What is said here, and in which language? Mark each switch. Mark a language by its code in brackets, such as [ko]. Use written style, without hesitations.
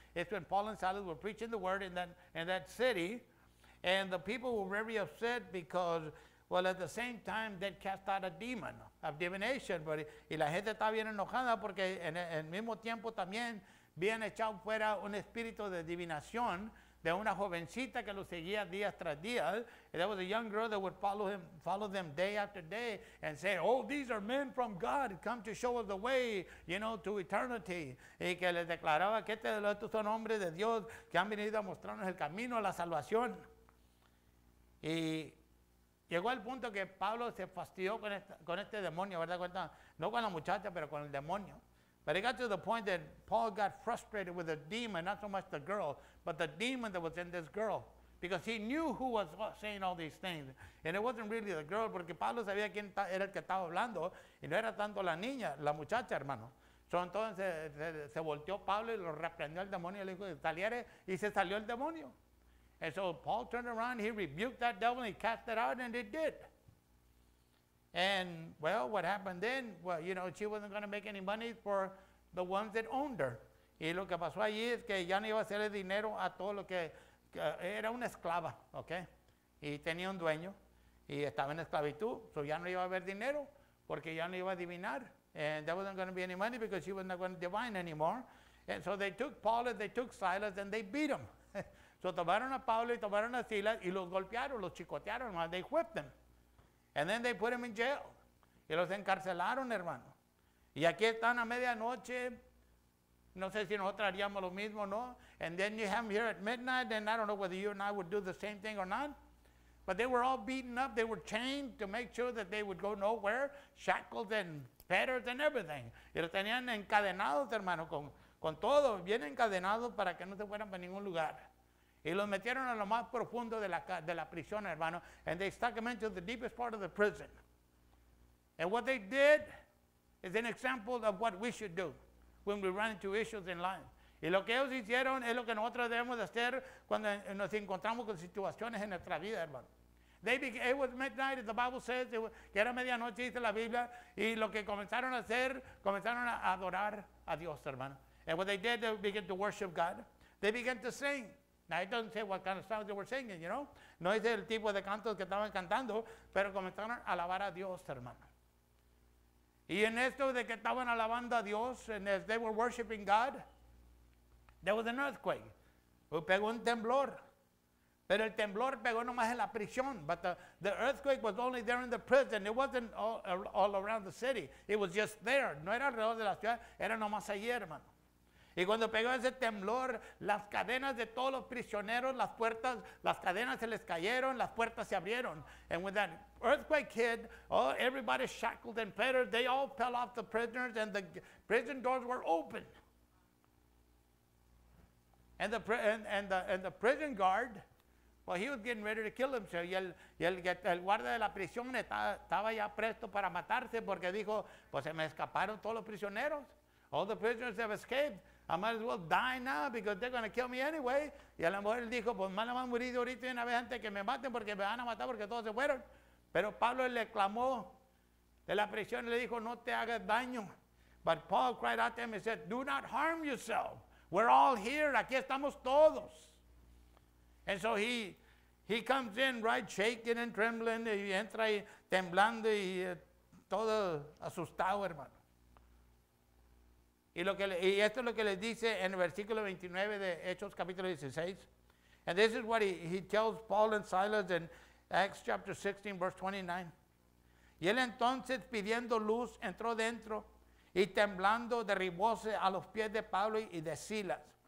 [en] It's when Paul and Silas were preaching the word in that city, and the people were very upset because, well, at the same time, they cast out a demon of divination. [es] Y la gente está bien enojada porque en el mismo tiempo también habían echado fuera un espíritu de adivinación de una jovencita que lo seguía día tras día. [en] There was a young girl that would follow them day after day and say, oh, these are men from God come to show us the way, you know, to eternity. [es] Y que les declaraba que estos son hombres de Dios que han venido a mostrarnos el camino a la salvación. Y llegó el punto que Pablo se fastidió con este demonio, ¿verdad? No con la muchacha, pero con el demonio. [en] But it got to the point that Paul got frustrated with the demon, not so much the girl, but the demon that was in this girl. Because he knew who was saying all these things. And it wasn't really the girl, [es] porque Pablo sabía quién era el que estaba hablando, y no era tanto la niña, la muchacha, hermano. So entonces se volteó Pablo y lo reprendió el demonio, y le dijo, saliere, y se salió el demonio. [en] And so Paul turned around, he rebuked that devil, and he cast it out, and it did. And, well, what happened then? Well, you know, she wasn't going to make any money for the ones that owned her. [es] Y lo que pasó allí es que ya no iba a hacerle dinero a todo lo que era una esclava, okay? Y tenía un dueño, y estaba en esclavitud, so ya no iba a haber dinero, porque ya no iba a adivinar. [en] And there wasn't going to be any money because she wasn't going to divine anymore. And so they took Paul and they took Silas and they beat him. [es] So tomaron a Pablo y tomaron a Silas y los golpearon, los chicotearon, [en] and they whipped them. And then they put him in jail. [es] Y los encarcelaron, hermano. Y aquí están a medianoche. No sé si nosotros haríamos lo mismo, ¿no? [en] And then you have them here at midnight, and I don't know whether you and I would do the same thing or not. But they were all beaten up. They were chained to make sure that they would go nowhere. Shackles and fetters and everything. [es] Y los tenían encadenados, hermano, con todo. Bien encadenados para que no se fueran para ningún lugar. Y los metieron a lo más profundo de la prisión, hermano. [en] And they stuck them into the deepest part of the prison. And what they did is an example of what we should do when we run into issues in life. [es] Y lo que ellos hicieron es lo que nosotros debemos hacer cuando nos encontramos con situaciones en nuestra vida, hermano. [en] It was midnight, as the Bible says, [es] que era medianoche, dice la Biblia. Y lo que comenzaron a hacer, comenzaron a adorar a Dios, hermano. [en] And what they did, they began to worship God. They began to sing. Now, it doesn't say what kind of songs they were singing, you know. [es] No dice el tipo de cantos que estaban cantando, pero comenzaron a alabar a Dios, hermano. Y en esto de que estaban alabando a Dios, [en] and as they were worshiping God, there was an earthquake. [es] Pegó un temblor. Pero el temblor pegó nomás en la prisión. [en] But the earthquake was only there in the prison. It wasn't all around the city. It was just there. [es] No era alrededor de la ciudad. Era nomás allí, hermano. Y cuando pegó ese temblor, las cadenas de todos los prisioneros, las puertas, las cadenas se les cayeron, las puertas se abrieron. [en] And when that earthquake hit, oh, everybody shackled and fettered, they all fell off the prisoners and the prison doors were open. And the prison guard, well, he was getting ready to kill himself. [es] Y el guarda de la prisión estaba ya presto para matarse porque dijo, pues se me escaparon todos los prisioneros. [en] All the prisoners have escaped. I might as well die now because they're going to kill me anyway. [es] Y a la mujer dijo, pues más le van a morir ahorita una vez antes que me maten porque me van a matar porque todos se fueron. Pero Pablo le clamó de la prisión y le dijo, no te hagas daño. [en] But Paul cried out to him and said, do not harm yourself. We're all here. [es] Aquí estamos todos. [en] And so he comes in, right, shaking and trembling. [es] Y entra ahí temblando y todo asustado, hermano. Y esto es lo que les dice en el versículo 29 de Hechos capítulo 16. [en] And this is what he tells Paul and Silas in Acts chapter 16 verse 29. [es] Y él entonces pidiendo luz entró dentro y temblando derribóse a los pies de Pablo y de Silas.